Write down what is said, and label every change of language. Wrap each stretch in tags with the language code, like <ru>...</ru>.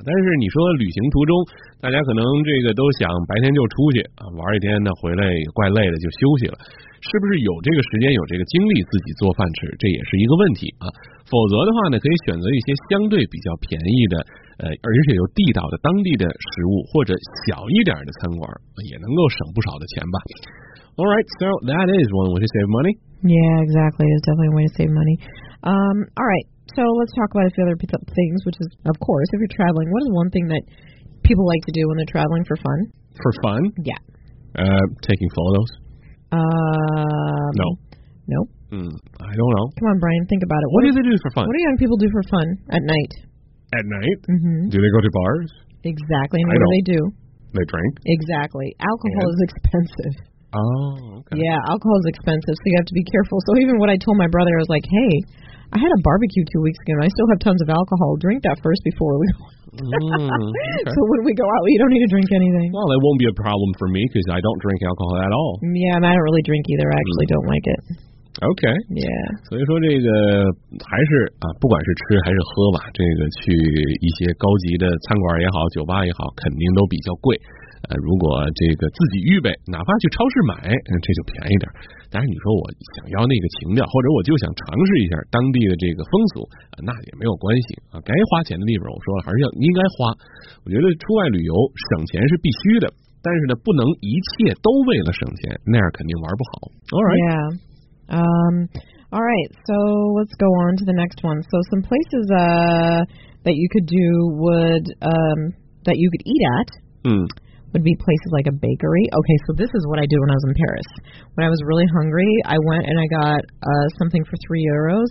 <zh>但是你说旅行途中，大家可能这个都想白天就出去啊，玩一天呢，回来怪累的就休息了。是不是有这个时间，有这个精力自己做饭吃，这也是一个问题啊。否则的话呢，可以选择一些相对比较便宜的，而且有地道的当地的食物，或者小一点的餐馆，也能够省不少的钱吧。</zh> <en>All right, so that is one way to save money. Yeah, exactly. It's definitely a way to save money. All right. So let's talk about a few other things, which is, of course, if you're traveling, what is one thing that people like to do when they're traveling for fun? For fun? Yeah. Taking photos? No. No? I don't know. Come on, Brian, think about it. What do they do for fun? What do young people do for fun at night? At night? Mm-hmm. Do they go to bars? Exactly. And what do they do? They drink? Exactly. Alcohol is expensive. Oh, okay. Yeah, alcohol is expensive, so you have to be careful. So even what I told my brother, I was like, hey, I had a barbecue 2 weeks ago, and I still have tons of alcohol. Drink that first before we go out. So when we go out, you don't need to drink anything. Well, that won't be a problem for me, because I don't drink alcohol at all. Yeah, and I don't really drink either. I actually don't like it. Okay. Yeah.</en> <zh>所以说这个还是啊，不管是吃还是喝吧，这个去一些高级的餐馆也好，酒吧也好，肯定都比较贵。如果这个自己预备，哪怕去超市买，这就便宜点。但是你说我想要那个情调，或者我就想尝试一下当地的这个风俗，那也没有关系啊。该花钱的地方，我说了还是要应该花。我觉得出外旅游省钱是必须的，但是呢，不能一切都为了省钱，那样肯定玩不好。</zh> <en>All right. Yeah. All right. So let's go on to the next one. So some places that you could do would that you could eat at. Would be places like a bakery. Okay, so this is what I did when I was in Paris. When I was really hungry, I went and I got something for 3 euros.</en>